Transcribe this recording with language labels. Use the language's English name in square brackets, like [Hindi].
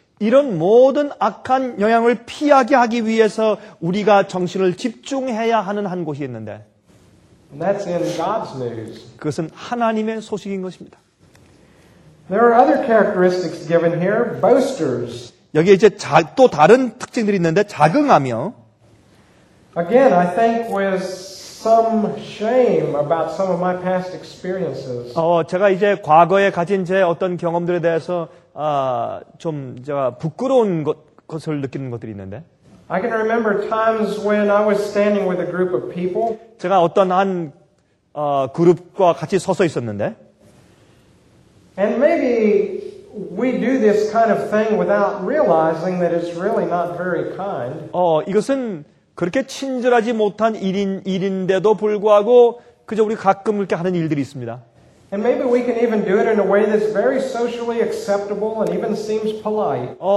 [Korean] 이런 모든 악한 영향을 피하게 하기 위해서 우리가 정신을 집중해야 하는 한 곳이 있는데. [English] And that's in God's news. [Korean] 그것은 하나님의 소식인 것입니다. [English] There are other characteristics given here, boasters. [Korean] 여기 이제 또 다른 특징들이 있는데 자긍하며. [English] Again, I think with some shame about some of my past experiences. [Korean] 제가 이제 과거에 가진 제 어떤 경험들에 대해서 좀 제가 부끄러운 것을 느끼는 것들이 있는데. [English] I can remember times when I was standing with a group of people. [Korean] 제가 어떤 한 그룹과 같이 서서 있었는데. [English] And maybe we do this kind of thing without realizing that it's really not very kind. [Korean] 이것은 그렇게 친절하지 못한 일인데도 불구하고 그저 우리 가끔 이렇게 하는 일들이 있습니다. [English] And maybe we can even do it in a way that's very socially acceptable and even seems polite.